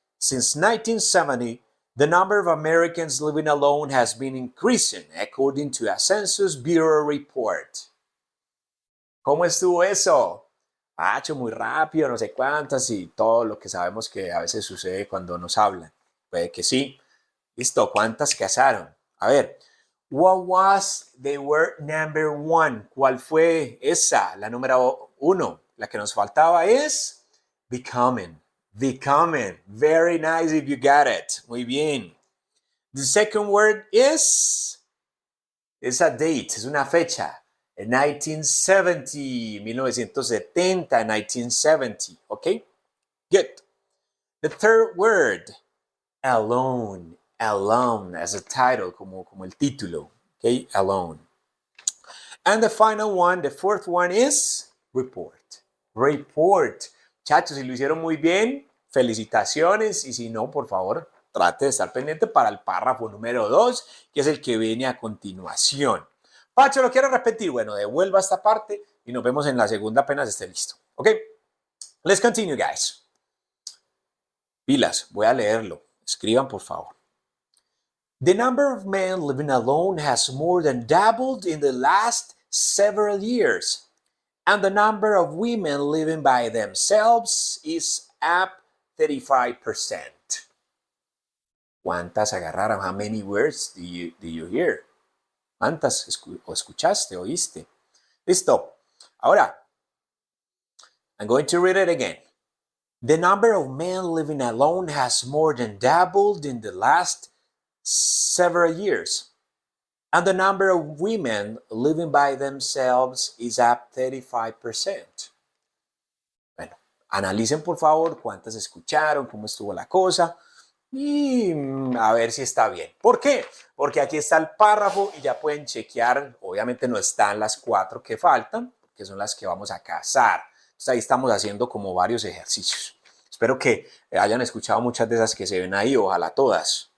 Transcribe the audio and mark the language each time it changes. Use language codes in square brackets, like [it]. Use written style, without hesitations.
[en] Since 1970, the number of Americans living alone has been increasing, according to a Census Bureau report. [es] ¿Cómo estuvo eso? Pacho, muy rápido, no sé cuántas y todo lo que sabemos que a veces sucede cuando nos hablan. Puede que sí. Listo, ¿cuántas cazaron? A ver, [en] what was the word number one? [es] ¿Cuál fue esa? La número uno. La que nos faltaba es becoming. Becoming. [en] Very nice if you got it. [es] Muy bien. [en] The second word is, it's a date, [es] es una fecha. [en] 1970. Okay? Good. The third word, alone. Alone as a title, [es] como el título. [en] Okay? Alone. And the final one, the fourth one is report. Report. [es] Chachos, si lo hicieron muy bien, felicitaciones, y si no, por favor, trate de estar pendiente para el párrafo número 2, que es el que viene a continuación. Pacho, lo quiero repetir. Bueno, devuelva esta parte y nos vemos en la segunda apenas esté listo. [en] Ok, let's continue, guys. [es] Pilas, voy a leerlo. Escriban, por favor. [en] The number of men living alone has more than doubled in the last several years, and the number of women living by themselves is up 35%. [es] ¿Cuántas agarraron? [en] How many words do you hear? [es] Antes escuchaste, oíste. Listo. Ahora, [en] I'm going to read it again. The number of men living alone has more than doubled in the last several years. And the number of women living by themselves is up 35%. [es] Bueno, analicen por favor cuántas escucharon, cómo estuvo la cosa. Y a ver si está bien. ¿Por qué? Porque aquí está el párrafo y ya pueden chequear. Obviamente no están las cuatro que faltan, que son las que vamos a casar. Entonces ahí estamos haciendo como varios ejercicios. Espero que hayan escuchado muchas de esas que se ven ahí, ojalá todas.